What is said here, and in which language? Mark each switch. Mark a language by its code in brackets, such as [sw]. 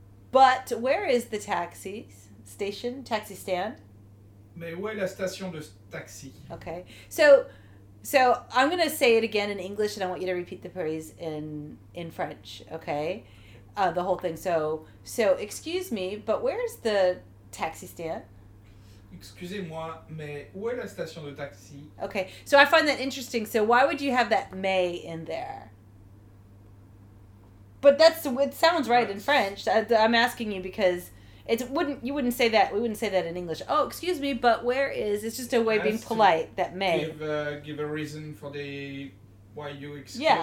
[en] But where is the taxi station? Taxi stand? [fr] Mais où est la station de taxi? [en] Okay. So So I'm going to say it again in English, and I want you to repeat the phrase in French, okay? The whole thing. So excuse me, but where's the taxi stand? [fr] Excusez-moi, mais où est la station de taxi? [en] Okay, so I find that interesting. So why would you have that mais in there? But that's, it sounds right, yes, in French. I'm asking you because we wouldn't say that in English. Oh, excuse me, but where is, it's just a way of being polite, that mais. Give a reason for the, why you excuse.